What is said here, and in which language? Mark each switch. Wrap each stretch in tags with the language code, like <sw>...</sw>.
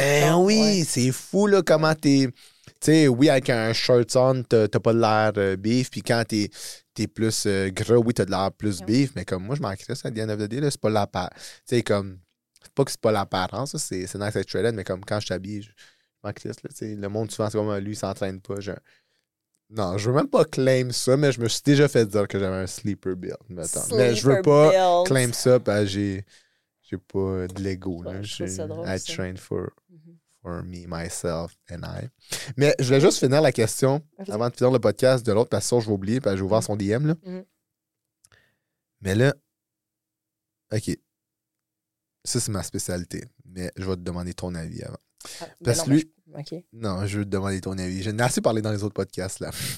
<fr>Ben oui, c'est fou, là, comment t'es... Tu sais, oui, avec un shirt on, t'as pas de l'air beef, puis quand t'es plus gras, oui, t'as de l'air plus beef, mais comme moi, je m'en crisse à</fr> <en>the end of the day,</en> <fr>là, c'est pas l'apparence. Tu sais, comme, c'est pas que c'est pas l'apparence, là, c'est</fr> <en>nice to trade,</en> <fr>mais comme quand je t'habille, je m'en crisse, là, tu sais, le monde, souvent, c'est comme lui, il s'entraîne pas, genre... Non, je veux même pas claim ça, mais je me suis déjà fait dire que j'avais un sleeper build. Mais je veux pas claim ça, parce que j'ai pas de l'ego.</fr> <en>I train for me, myself, and I.</en> <fr>Mais je voulais juste finir la question avant de finir le podcast de l'autre, parce que ça, je vais oublier, parce que j'ai ouvert son DM. Là. Mais là, OK. Ça, c'est ma spécialité. Mais je vais te demander ton avis avant. Parce que lui... Okay. Non, je veux te demander ton avis. J'ai assez parlé dans les autres podcasts, là.</fr>